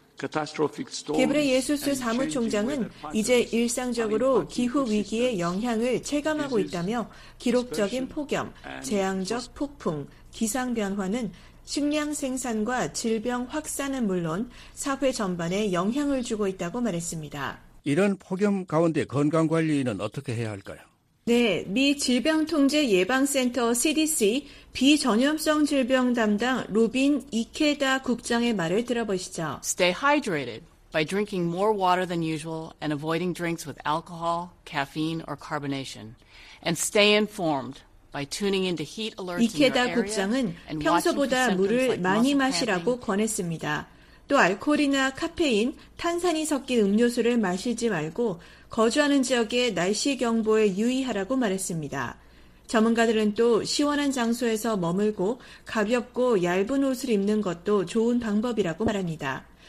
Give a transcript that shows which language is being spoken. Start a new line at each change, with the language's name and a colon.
Korean: 게브레예수스 사무총장은 이제 일상적으로 기후 위기의 영향을 체감하고 있다며 기록적인 폭염, 재앙적 폭풍, 기상 변화는 식량 생산과 질병 확산은 물론 사회 전반에 영향을 주고 있다고 말했습니다. 이런 폭염 가운데 건강 관리는 어떻게 해야 할까요? 네, 미 질병통제예방센터 CDC 비전염성 질병 담당 로빈 이케다 국장의 말을 들어보시죠.
English: Stay hydrated by drinking more water than usual and avoiding drinks with alcohol, caffeine, or carbonation. And stay informed by tuning into heat alerts in your area.
Korean: 이케다 국장은 평소보다 물을 많이 마시라고 권했습니다. 또 알코올이나 카페인, 탄산이 섞인 음료수를 마시지 말고 거주하는 지역의 날씨 경보에 유의하라고 말했습니다. 전문가들은 또 시원한 장소에서 머물고 가볍고 얇은 옷을 입는 것도 좋은 방법이라고 말합니다.